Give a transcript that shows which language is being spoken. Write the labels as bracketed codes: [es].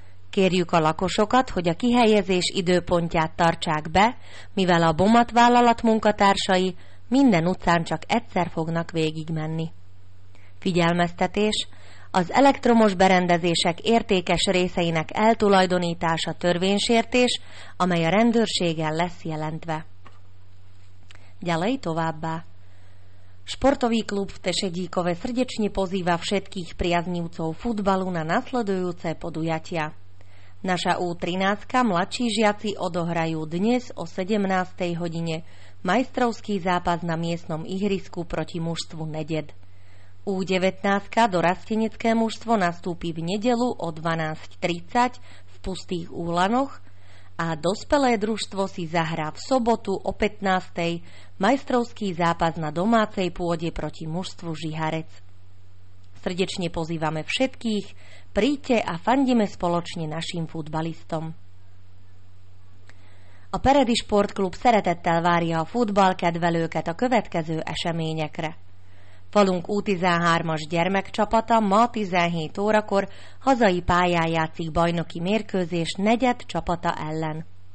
[hu] Kérjük a lakosokat, hogy a kihelyezés időpontját tartsák be, mivel a BOMAT vállalat munkatársai minden utcán csak egyszer fognak végigmenni. Figyelmeztetés: az elektromos berendezések értékes részeinek eltulajdonítása törvénysértés, amely a rendőrséggel lesz jelentve. [sk] Ďalej [hu] továbbá. [sk] Športový klub v Tešedíkove srdečne pozýva všetkých priaznivcov futbalu na nasledujúce podujatia. Naša U13 mladší žiaci odohrajú dnes o 17. hodine majstrovský zápas na miestnom ihrisku proti mužstvu Neded. U19 dorastenecké mužstvo nastúpi v nedelu o 12.30 v Pustých Úlanoch a dospelé družstvo si zahrá v sobotu o 15. majstrovský zápas na domácej pôde proti mužstvu Žiharec. Srdečne pozývame všetkých, príďte a fandime spoločne našim futbalistom. [hu] A Peredi Sportklub szeretettel várja a futballkedvelőket a következő eseményekre. Falunk U13-as gyermekcsapata ma 17 órakor hazai pályán játszik bajnoki mérkőzés negyed csapata ellen.